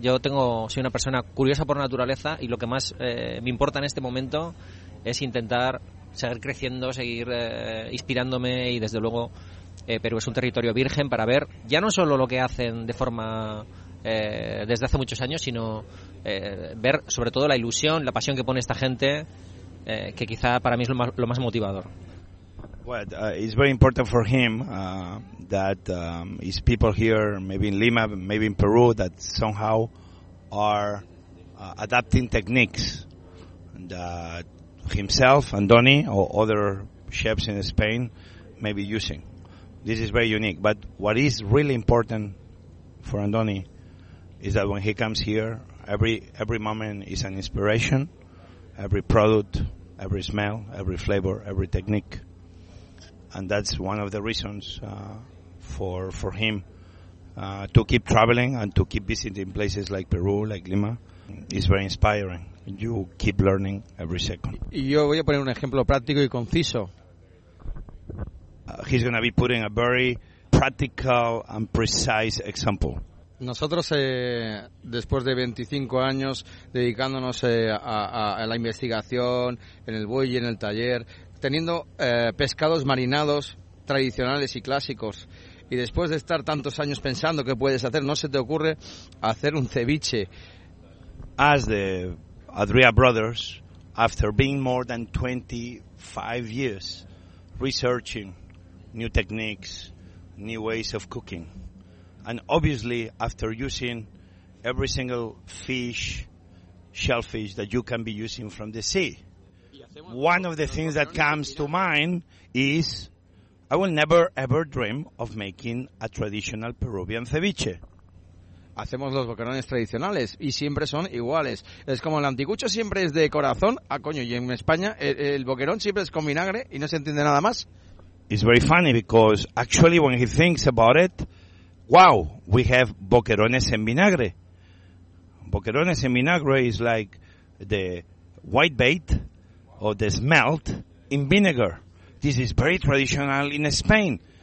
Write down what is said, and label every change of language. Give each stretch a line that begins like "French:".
Spanish: Yo soy una persona curiosa por naturaleza y lo que más me importa en este momento es intentar seguir creciendo, seguir inspirándome y desde luego Perú es un territorio virgen para ver ya no solo lo que hacen de forma desde hace muchos años, sino ver sobre todo la ilusión, la pasión que pone esta gente, que quizá para mí es lo más motivador.
English: Well, it's very important for him that his people here, maybe in Lima, maybe in Peru, that somehow are adapting techniques that himself and Donnie or other chefs in Spain may be using. This is very unique. But what is really important for Andoni is that when he comes here, every moment is an inspiration. Every product, every smell, every flavor, every technique. And that's one of the reasons for him to keep traveling and to keep visiting places like Peru, like Lima. It's very inspiring. You keep learning every second.
Spanish: Y yo voy a poner un ejemplo práctico y conciso.
English: He's going to be putting a very practical and precise example.
Spanish: Nosotros, después de 25 años dedicándonos a la investigación, en el buey y en el taller, teniendo pescados marinados tradicionales y clásicos, y después de estar tantos años pensando qué puedes hacer, no se te ocurre hacer un ceviche.
English: As the Adria brothers, after being more than 25 years researching new techniques, new ways of cooking. And obviously, after using every single fish, shellfish that you can be using from the sea, one of the things that comes to mind is, I will never ever dream of making a traditional Peruvian ceviche.
Spanish: Hacemos los boquerones tradicionales y siempre son iguales. Es como el anticucho siempre es de corazón, coño, y en España el boquerón siempre es con vinagre y no se entiende nada más.
English: It's very funny because actually when he thinks about it, wow, we have boquerones en vinagre. Boquerones en vinagre is like the white bait or the smelt in vinegar. This is very traditional in Spain.